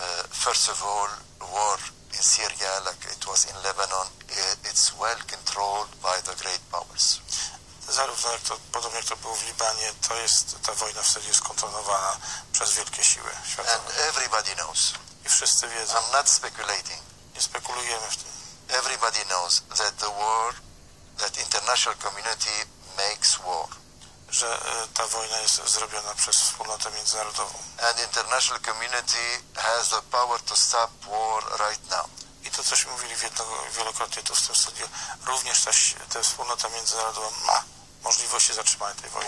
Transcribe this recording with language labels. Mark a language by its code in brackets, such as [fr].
[en] First of all, war in Syria, like it was in Lebanon, it's well controlled by the great powers. [pl] Zarówno jak to, podobnie jak to było w Libanie, to jest, ta wojna w Syrii jest kontrolowana przez wielkie siły światowe. [en] And everybody knows. [pl] I wszyscy wiedzą. [en] I'm not speculating. [pl] Nie spekulujemy w tym. [en] Everybody knows that the war, that international community makes war. [pl] Że ta wojna jest zrobiona przez wspólnotę międzynarodową. [en] And international community has the power to stop war right now. [pl] I to, cośmy mówili wielokrotnie tu w tym studiu, również ta wspólnota międzynarodowa ma możliwości zatrzymania tej wojny.